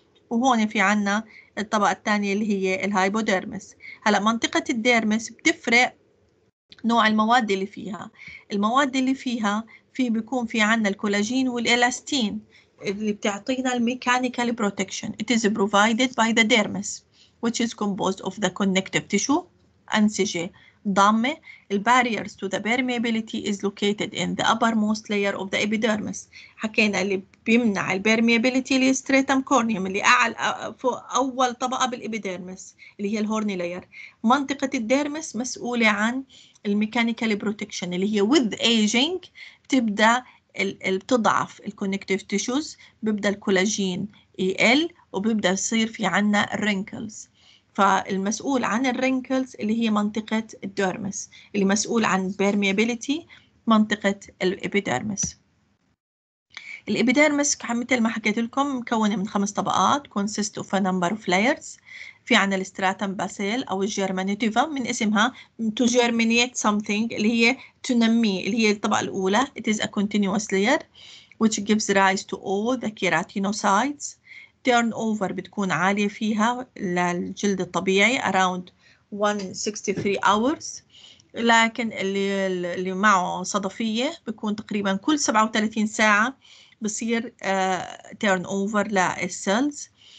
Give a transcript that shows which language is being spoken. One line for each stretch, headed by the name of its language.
Arabic: وهون في عنا الطبقة الثانية اللي هي الهايبوديرمس. هلا منطقة الديرمس بتفرق نوع المواد اللي فيها، المواد اللي فيها في بيكون في عنا الكولاجين والإلاستين اللي بتعطينا الميكانيكال بروتكشن.
English: It is provided by the dermis which is composed of the connective tissue،
Arabic: أنسجة ضامة.
English: Barriers to the permeability is located in the uppermost layer of the epidermis،
Arabic: حكينا اللي بيمنع البيرميابيليتي اللي stratum corneum اللي أعلى فوق أول طبقة بالإبيدرمس اللي هي الهورني لاير. منطقة الديرمس مسؤولة عن الميكانيكال بروتكشن اللي هي
English: with aging
Arabic: تبدأ بتضعف الكونكتيف تيشوز، بيبدأ الكولاجين يقل وبيبدأ يصير في عنا رينكلز. فالمسؤول عن الرينكلز اللي هي منطقة الديرمس، اللي مسؤول عن بيرميابيليتي منطقة الإبيدرمس. الإبيدرمس مثل ما حكيت لكم مكونة من 5 طبقات،
English: consist of a number of layers.
Arabic: في عنا الستراتم باسيل أو الجيرمانيتيفا، من اسمها
English: to germinate something
Arabic: اللي هي تنمي، اللي هي الطبقة الأولى.
English: It is a continuous layer which gives rise to all the keratinocytes.
Arabic: Turnover بتكون عالية فيها للجلد الطبيعي
English: around 163 hours،
Arabic: لكن اللي معه صدفية بكون تقريبا كل 37 ساعة بصير turnover للسيلز.